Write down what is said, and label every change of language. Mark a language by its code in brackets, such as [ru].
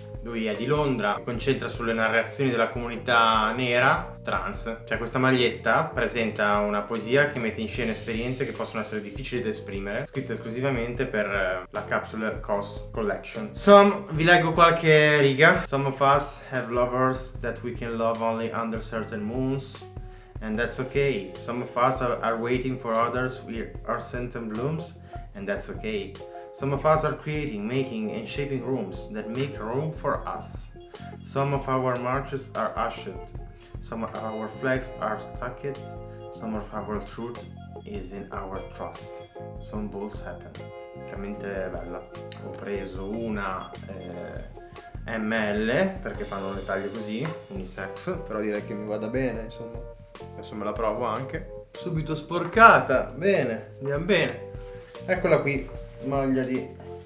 [it] Lui è di Londra, si concentra sulle narrazioni della comunità nera trans. Cioè, questa maglietta presenta una poesia che mette in scena esperienze che possono essere difficili da esprimere, scritta esclusivamente per la Capsule COS Collection. Some, vi leggo qualche riga. [en] Some of us have lovers that we can love only under certain moons. And that's okay. Some of us are waiting for others with our scent and blooms, and that's okay. Some of us are creating, making and shaping rooms that make room for us. Some of our marches are ushered. Some of our flags are tucked. Some of our truth is in our trust. Some bulls happen. [it] Veramente bella. Ho preso una ML perché fanno le taglie così, unisex, però direi che mi vada bene, insomma. Adesso me la provo anche. Subito sporcata. Bene, andiamo bene. Eccola qui, maglia di...